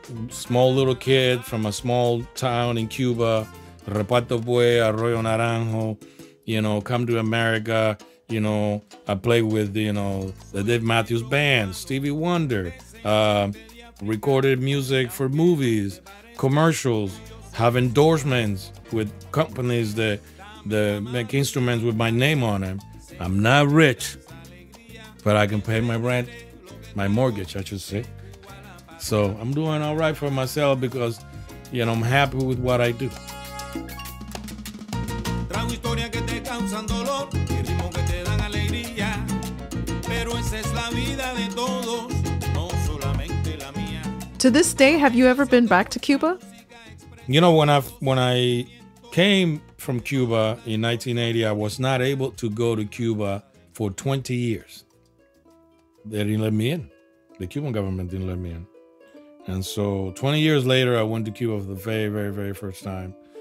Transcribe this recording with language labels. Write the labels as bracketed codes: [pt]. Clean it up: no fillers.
[en] small little kid from a small town in Cuba, Reparto Buey, Arroyo Naranjo, you know, come to America, you know, I play with, you know, the Dave Matthews Band, Stevie Wonder, recorded music for movies, commercials, have endorsements with companies that make instruments with my name on them. I'm not rich, but I can pay my rent, my mortgage, I should say. So I'm doing all right for myself because, you know, I'm happy with what I do. [es] Trago historias que te causan dolor y ritmos que te dan alegría. Pero esa es la vida de todos, no solamente la mía. [en] To this day, have you ever been back to Cuba? You know, when I came from Cuba in 1980, I was not able to go to Cuba for 20 years. They didn't let me in. The Cuban government didn't let me in. And so 20 years later, I went to Cuba for the very, very, very first time.